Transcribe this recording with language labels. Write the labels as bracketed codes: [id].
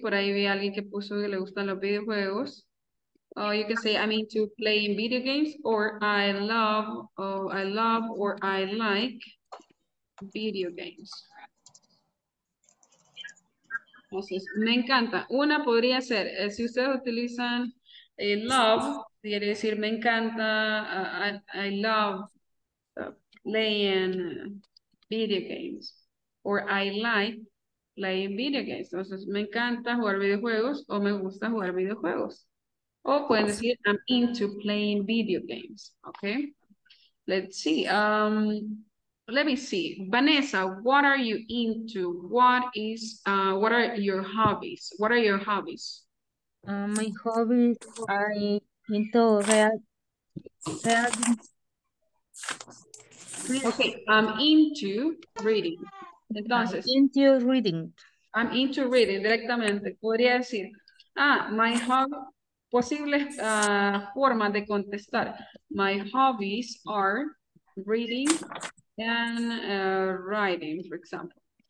[es] Por ahí vi alguien que puso que le gustan los videojuegos. [en] You can say I'm into playing video games, or I like video games. [es] Entonces, me encanta. Una podría ser, si ustedes utilizan [en] love, [es] quiere decir me encanta, [en] I love playing video games, or I like playing video games. [es] Entonces, me encanta jugar videojuegos o me gusta jugar videojuegos. O pueden decir, [en] I'm into playing video games, okay? Let's see, let me see. Vanessa, what are you into? What is, what are your hobbies? What are your hobbies? My hobbies, I into reading. Okay, I'm into reading. Entonces, I'm into reading, directamente. [es] Podría decir, ah, [en] my hobby, [es] posibles formas de contestar. [en] My hobbies are reading and writing, for example.